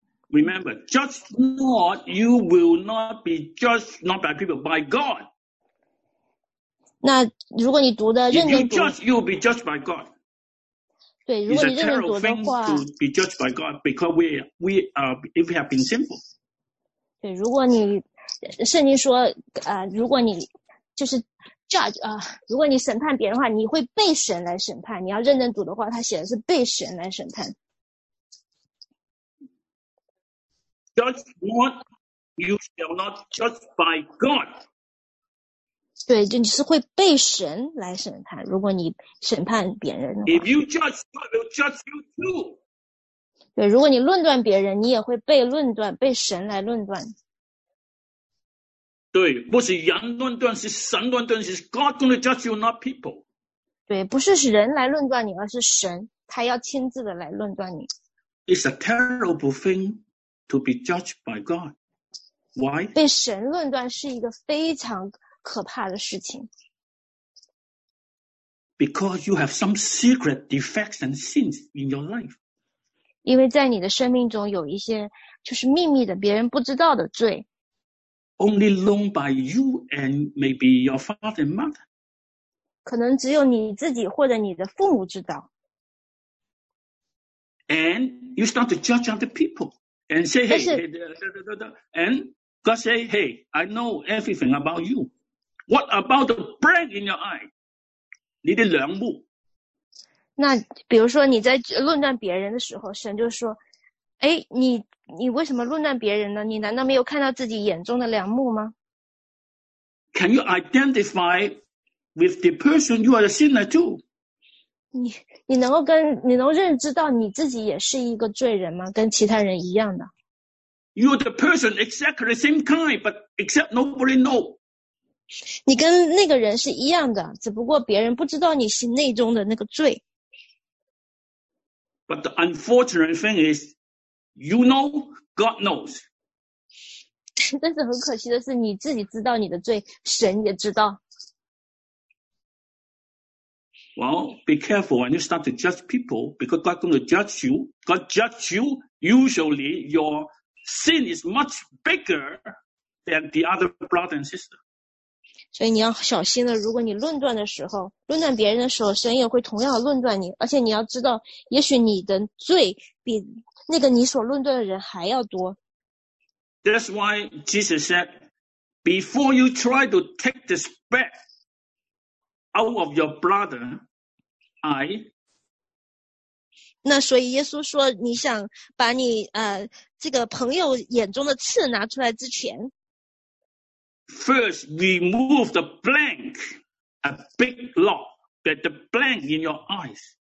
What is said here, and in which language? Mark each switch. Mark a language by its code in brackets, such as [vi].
[en] Remember, judge not. You will not be judged not by people, by God. [zh] 那如果你读的认真读 [en] ，if you judge, you will be judged by God. [zh] 对，如果你认真读的话 [en] ，it's a terrible thing to be judged by God because if we have been sinful. [zh] 对，如果你圣经说，如果你就是 judge 如果你审判别人的话，你会被神来审判。你要认真读的话，他写的是被神来审判。 [en] Judge not, you shall not judge by God. [zh] 对，就你是会被神来审判。如果你审判别人的话 [en] ，If you judge, God will judge you too. [zh] 对，如果你论断别人，你也会被论断，被神来论断。对，不是人论断，是神论断，是 [en] God going to judge you, not people. [zh] 对，不是人来论断你，而是神，他要亲自的来论断你。 [en] It's a terrible thing to be judged by God. Why? [zh] 被神论断是一个非常可怕的事情。 [en] Because you have some secret defects and sins in your life. [zh] 因为在你的生命中有一些就是秘密的别人不知道的罪 [en] only known by you and maybe your father and mother [zh] 可能只有你自己或者你的父母知道 [en] and you start to judge other people and say hey, hey and God say hey I know everything about you what about the brain in your eye [zh] 你的良木那比如说你在论断别人的时候神就说诶你为什么论断别人呢你难道没有看到自己眼中的良木吗 [en] Can you identify with the person you are a sinner too? [zh] 你能认知到你自己也是一个罪人吗跟其他人一样的 [en] You're the person exactly the same kind, but except nobody know. [zh] 你跟那个人是一样的只不过别人不知道你心内中的那个罪。 [en] But the unfortunate thing is, you know, God knows. [zh] 但是很可惜的是，你自己知道你的罪，神也知道。 [en] Well, be careful when you start to judge people, because God's going to judge you. God judges you. Usually, your sin is much bigger than the other brother and sister. [zh] 所以你要小心了，如果你论断的时候，论断别人的时候，神也会同样论断你。而且你要知道，也许你的罪比那个你所论断的人还要多。 [en] That's why Jesus said, before you try to take the speck out of your brother, I... [zh] 那所以耶稣说，你想把你这个朋友眼中的刺拿出来之前， [en] First, remove the blank, a big log, that the blank in your eyes.